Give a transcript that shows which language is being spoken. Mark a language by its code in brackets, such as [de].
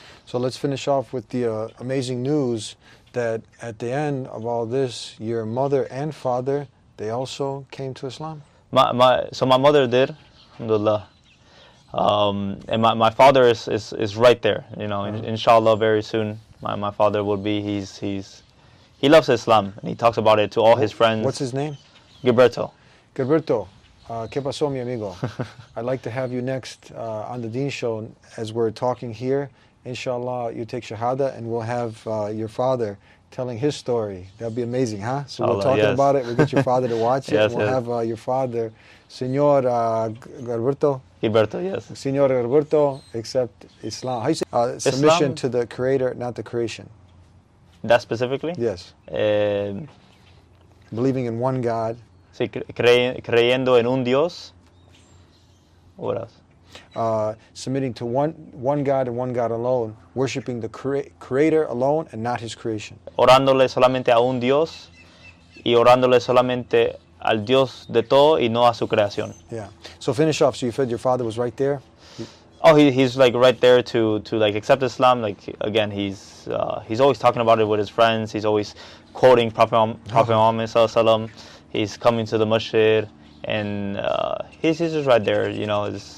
[en] So let's finish off with the amazing news that at the end of all this, your mother and father, they also came to Islam. My mother did, alhamdulillah. And my father is right there, you know. Uh-huh. Inshallah, very soon, my father will be. He loves Islam and he talks about it to all his friends. What's his name? Gilberto. [es] Gilberto, ¿qué pasó, mi amigo? [en] I'd like to have you next on the Deen Show as we're talking here. Inshallah, you take shahada and we'll have your father telling his story. That'd be amazing, huh? So we'll talk about it. We'll get your father to watch it. Yes, and we'll have your father, Señor Gilberto. Gilberto, yes. Señor Gilberto, accept Islam. How do you say Islam? Submission to the creator, not the creation. That specifically? Yes. Believing in one God. [es] Sí, creyendo en un Dios. [en] What else? Submitting to one God and one God alone, worshiping the creator alone and not his creation. [es] Orándole solamente a un Dios y orándole solamente al Dios de todo y no a su creación. [en] Yeah. So finish off. So you said your father was right there? Oh, he's like right there to like accept Islam. Like, again, he's always talking about it with his friends. He's always quoting Prophet Muhammad sallallahu alaihi wasallam. He's coming to the masjid and he's just right there, you know.